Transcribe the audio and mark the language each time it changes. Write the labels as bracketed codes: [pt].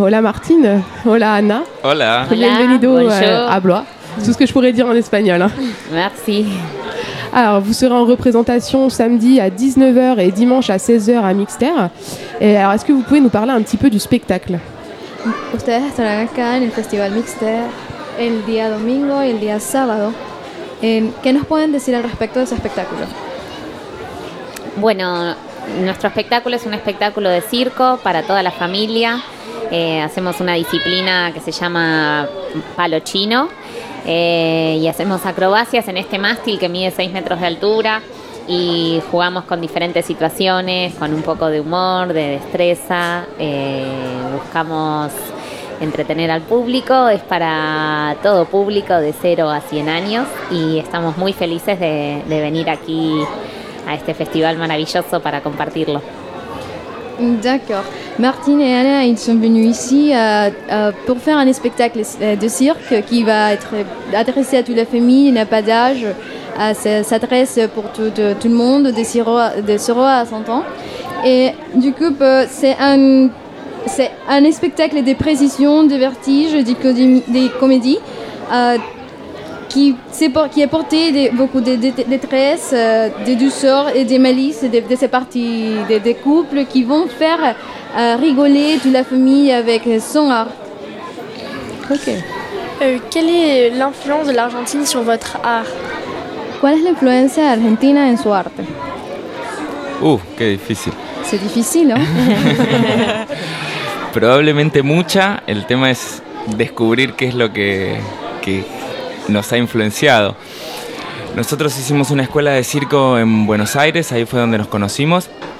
[es] Hola Martine, hola Anna. Hola. Bienvenido à Blois. [fr] Tout ce que je pourrais dire en espagnol. Hein. Merci. Alors, vous serez en représentation samedi à 19h et dimanche à 16h à Mixter. Et alors, est-ce que vous pouvez nous parler un petit peu du spectacle ? [es] Ustedes estarán acá en el Festival Mixter el día domingo y el día sábado. ¿Qué nos pueden decir al respecto de ese espectáculo ? Bueno, nuestro espectáculo es un espectáculo de circo para toda la familia. Hacemos una disciplina que se llama palo chino. Y hacemos acrobacias en este mástil que mide 6 metros de altura y jugamos con diferentes situaciones, con un poco de humor, de destreza. Buscamos entretener al público, es para todo público de 0 a 100 años y estamos muy felices de venir aquí a este festival maravilloso para compartirlo. [fr] D'accord. Martine et Anna, ils sont venus ici pour faire un spectacle de cirque qui va être adressé à toute la famille, il n'a pas d'âge, s'adresse pour tout le monde, de 0 à 100 ans. Et du coup, c'est un spectacle de précision, de vertige, des comédies, qui a porté beaucoup de détresse, de douceur et des malices de ces parties des couples qui vont faire rigoler toute la famille avec son art. Ok. Quelle est l'influence de l'Argentine sur votre art ? [es] ¿Cuál es la influencia argentina en su arte? Oh, qué difícil. [fr] C'est difficile, hein? [es] Probablemente mucha. El tema es descubrir qué es lo que nos ha influenciado. Nosotros hicimos una escuela de circo en Buenos Aires, ahí fue donde nos conocimos.